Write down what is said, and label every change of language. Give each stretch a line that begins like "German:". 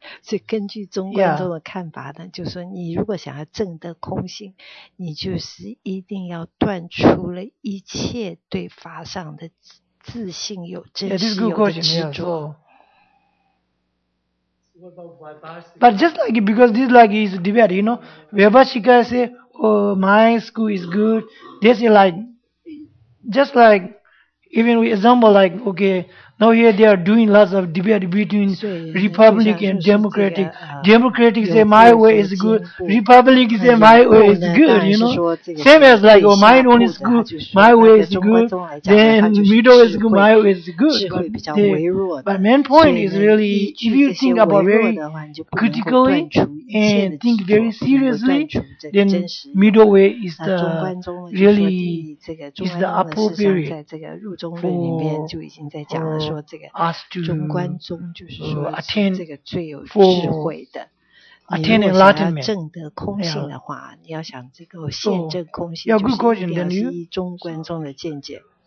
Chinese: 所以根据中观中的看法呢，就是说你如果想要证得空性，你就是一定要断除了一切对法上的自信有真实有的执着。
English: But just like because this like is debate, you know, Vaibhashika say, oh, my school is good. They say like. Just like, even we example like, okay, now here they are doing lots of debate between Republic and Democratic. Democratic say my way is good, Republic say my way is good, you know. Same as like, oh, mine only is good, my way is good, then middle is good, my way is good. But main point is really, if you think about very critically and think very seriously, then middle way is the really...
Chinese: 这个中观宗呢，实际上在这个入中论里面就已经在讲了，说这个中观宗就是说是这个最有智慧的。你如果想要证得空性的话，你要想这个现证空性，就是一定要是依中观宗的见解。